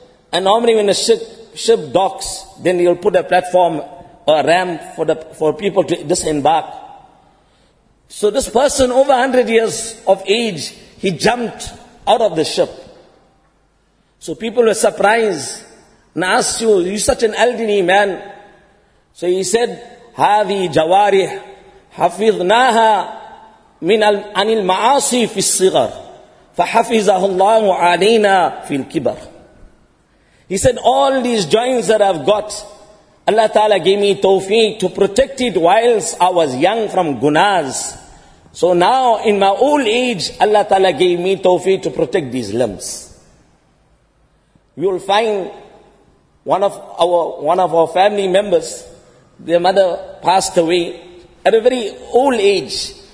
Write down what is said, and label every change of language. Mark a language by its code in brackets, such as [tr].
[en] And normally when a ship docks, then he'll put a platform or a ramp for people to disembark. So this person, over 100 years of age, he jumped out of the ship. So people were surprised and asked you, you're such an elderly man. So he said, [ar] هذه جوارح حفظناها من عن المعاصي في الصغر فحفظه الله علينا في الكبر. [en] He said, all these joints that I've got, Allah Ta'ala gave me tawfiq to protect it whilst I was young from gunas. So now in my old age, Allah Ta'ala gave me tawfiq to protect these limbs. You will find one of our family members, their mother passed away at a very old age.